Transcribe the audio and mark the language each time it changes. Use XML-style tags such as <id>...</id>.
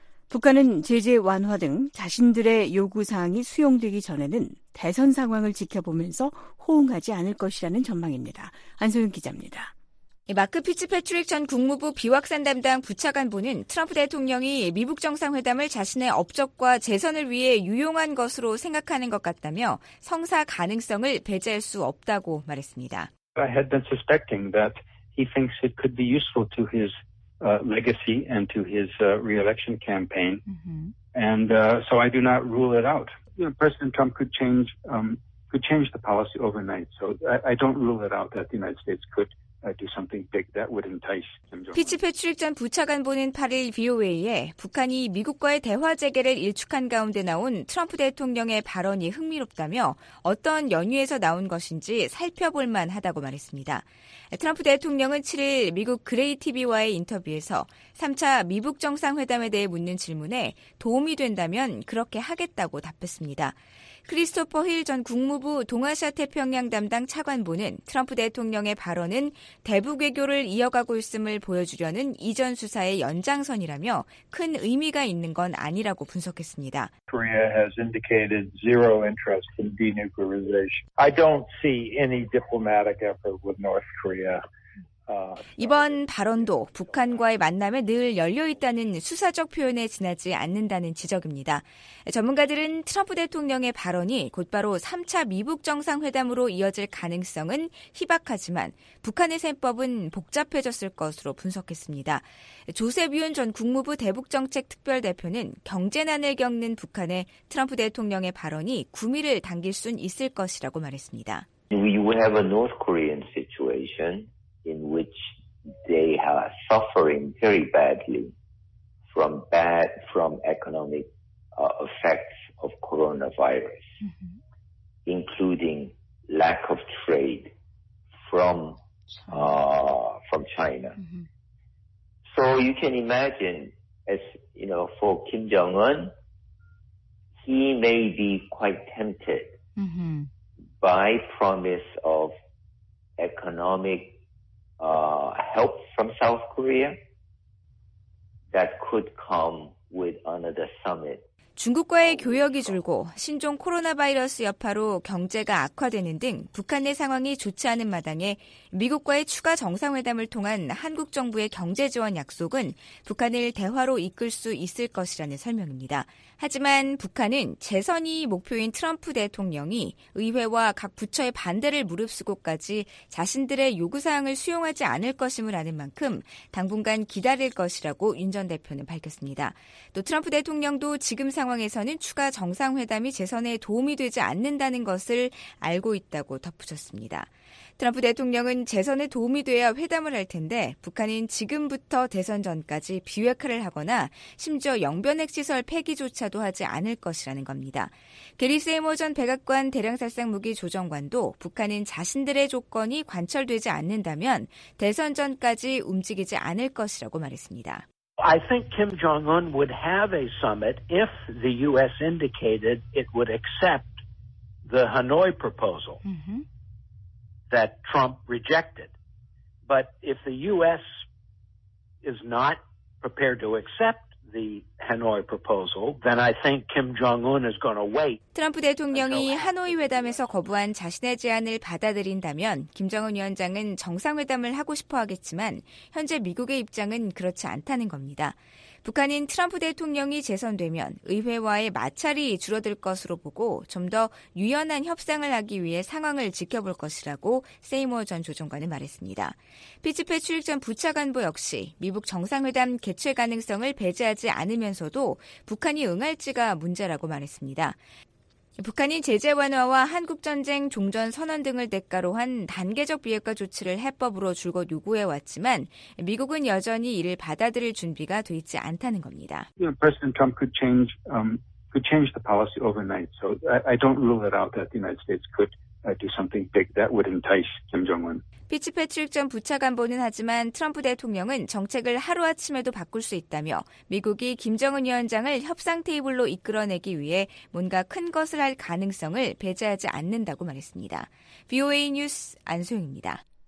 <ko>북한은 제재 완화 등 자신들의 요구사항이 수용되기 전에는 대선 상황을 지켜보면서 호응하지 않을 것이라는 전망입니다. 안소윤 기자입니다. 마크 피츠패트릭 전 국무부 비확산 담당 부차관보는 트럼프 대통령이 미북 정상회담을 자신의 업적과 재선을 위해 유용한 것으로 생각하는 것 같다며 성사 가능성을 배제할 수 없다고 말했습니다.</ko> <en>I had been suspecting that he thinks it could be useful to his legacy and to his re-election campaign. And so I do not rule it out. You know, President Trump could change could change the policy overnight. So I don't rule it out that the United States could do something big that would entice Kim Jong-un.</en> <ko>피츠패트릭 전 부차관보는 8일 VOA에 북한이 미국과의 대화 재개를 일축한 가운데 나온 트럼프 대통령의 발언이 흥미롭다며 어떤 연유에서 나온 것인지 살펴볼 만하다고 말했습니다. 트럼프 대통령은 7일 미국 그레이 TV와의 인터뷰에서 3차 미북 정상회담에 대해 묻는 질문에 도움이 된다면 그렇게 하겠다고 답했습니다. 크리스토퍼 힐 전 국무부 동아시아 태평양 담당 차관보는 트럼프 대통령의 발언은 대북 외교를 이어가고 있음을 보여주려는 이전 수사의 연장선이라며 큰 의미가 있는 건 아니라고 분석했습니다.</ko> <en>Korea has indicated zero interest in denuclearization. I don't see any diplomatic effort with North Korea.</en> <ko>이번 발언도 북한과의 만남에 늘 열려있다는 수사적 표현에 지나지 않는다는 지적입니다. 전문가들은 트럼프 대통령의 발언이 곧바로 3차 미북 정상회담으로 이어질 가능성은 희박하지만 북한의 셈법은 복잡해졌을 것으로 분석했습니다. 조셉 윤 전 국무부 대북정책특별대표는 경제난을 겪는 북한에 트럼프 대통령의 발언이 구미를 당길 순 있을 것이라고 말했습니다.</ko> <en>We have a North Korean situation. In which they are suffering very badly from economic effects of coronavirus, including lack of trade from China. Mm-hmm. So you can imagine, as you know, for Kim Jong-un, he may be quite tempted mm-hmm. by promise of economic help from South Korea that could come with another summit.</en> <ko>중국과의 교역이 줄고 신종 코로나 바이러스 여파로 경제가 악화되는 등 북한 내 상황이 좋지 않은 마당에 미국과의 추가 정상회담을 통한 한국 정부의 경제 지원 약속은 북한을 대화로 이끌 수 있을 것이라는 설명입니다. 하지만 북한은 재선이 목표인 트럼프 대통령이 의회와 각 부처의 반대를 무릅쓰고까지 자신들의 요구사항을 수용하지 않을 것임을 아는 만큼 당분간 기다릴 것이라고 윤 전 대표는 밝혔습니다. 또 트럼프 대통령도 지금 상황에서는 추가 정상회담이 재선에 도움이 되지 않는다는 것을 알고 있다고 덧붙였습니다. 트럼프 대통령은 재선에 도움이 돼야 회담을 할 텐데 북한은 지금부터 대선 전까지 비핵화를 하거나 심지어 영변핵시설 폐기조차도 하지 않을 것이라는 겁니다. 게리 세이머 전 백악관 대량살상무기 조정관도 북한은 자신들의 조건이 관철되지 않는다면 대선 전까지 움직이지 않을 것이라고 말했습니다.</ko> <en>I think Kim Jong-un would have a summit if the U.S. indicated it would accept the Hanoi proposal mm-hmm. that Trump rejected. But if the U.S. is not prepared to accept the Hanoi proposal, then I think Kim Jong-un is going to wait.</en> <ko>트럼프 대통령이 하노이 회담에서 거부한 자신의 제안을 받아들인다면 김정은 위원장은 정상회담을 하고 싶어 하겠지만 현재 미국의 입장은 그렇지 않다는 겁니다. 북한은 트럼프 대통령이 재선되면 의회와의 마찰이 줄어들 것으로 보고 좀 더 유연한 협상을 하기 위해 상황을 지켜볼 것이라고 세이머 전 조정관은 말했습니다. 피츠패트릭 전 부차관보 역시 미북 정상회담 개최 가능성을 배제하지 않으면서도 북한이 응할지가 문제라고 말했습니다. 북한이 제재 완화와 한국전쟁 종전 선언 등을 대가로 한 단계적 비핵화 조치를 해법으로 줄곧 요구해왔지만 미국은 여전히 이를 받아들일 준비가 돼 있지 않다는 겁니다.</ko> <en>President Trump could change the policy overnight. So I don't rule it out that the United States could do something big that would entice Kim Jong-un.</en> <ko>피츠패트릭 전 부차관보는 하지만 트럼프 대통령은 정책을 하루아침에도 바꿀 수 있다며 미국이 김정은 위원장을 협상 테이블로 이끌어내기 위해 뭔가 큰 것을 할 가능성을 배제하지 않는다고 말했습니다. VOA 뉴스 안소영입니다.</ko>